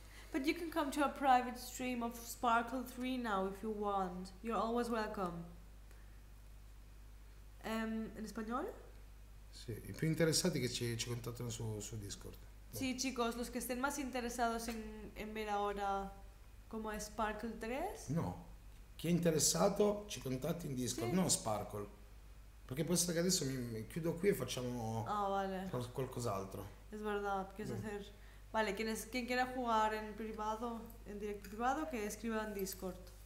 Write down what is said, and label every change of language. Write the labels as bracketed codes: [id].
[en] But you can come to a private stream of Sparkle 3 now if you want. You're always welcome. [it] In spagnolo? Sì, i più interessati che ci contattano su Discord. [es] Sí, chicos, los que estén más interesados en ver ahora cómo es Sparkle 3. [it] No, chi è interessato ci contatti in Discord, Sì. non Sparkle. Perché può essere che adesso mi chiudo qui e facciamo [es] Ah, vale. [it] qualcos'altro. [es] Es verdad, quieres hacer. Vale, quien quiera jugar en privado, en directo privado, que escriba en Discord.